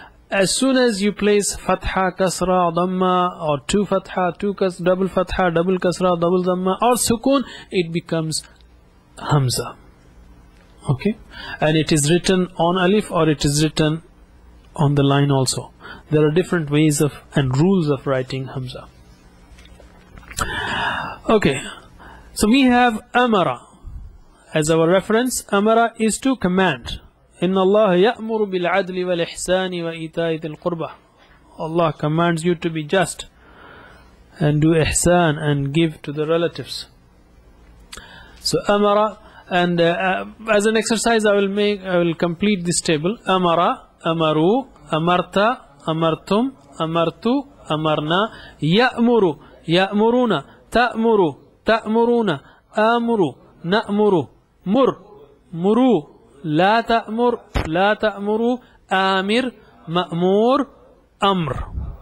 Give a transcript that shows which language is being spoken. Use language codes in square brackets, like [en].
[en] As soon as you place fatha, kasra, dhamma, or two fatha, two kasra, double fatha, double kasra, double dhamma, or sukoon, it becomes hamza. Okay? And it is written on alif, or it is written on the line also. There are different ways of and rules of writing hamza. Okay, so we have amara as our reference. Amara is to command. [ar] إن الله يأمر بالعدل والإحسان وإيتاء ذي القربى. [en] Allah commands you to be just and do ihsan and give to the relatives. So amara, and as an exercise I will complete this table. Amara, amaru, amarta, amartum, amartu, amarna, [ar] يأمر, يأمرون, تأمر, تأمرون, آمر, نأمر, مر, مروا, لا تأمر لا تأمر آمر مأمور أمر.